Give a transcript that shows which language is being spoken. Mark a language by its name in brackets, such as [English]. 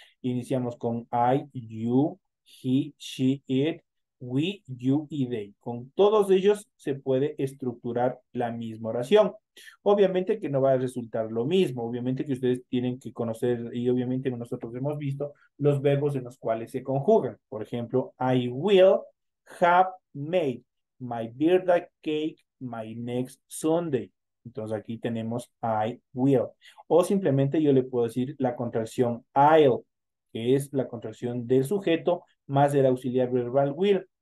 [Spanish] Iniciamos con [English] I, you, he, she, it, we, you y they. [Spanish] Con todos ellos se puede estructurar la misma oración. Obviamente que no va a resultar lo mismo, obviamente que ustedes tienen que conocer y obviamente nosotros hemos visto los verbos en los cuales se conjugan. Por ejemplo, [English] I will have made my birthday cake my next Sunday. [Spanish] Entonces aquí tenemos I will. O simplemente yo le puedo decir la contracción I'll, que es la contracción del sujeto más el auxiliar verbal will.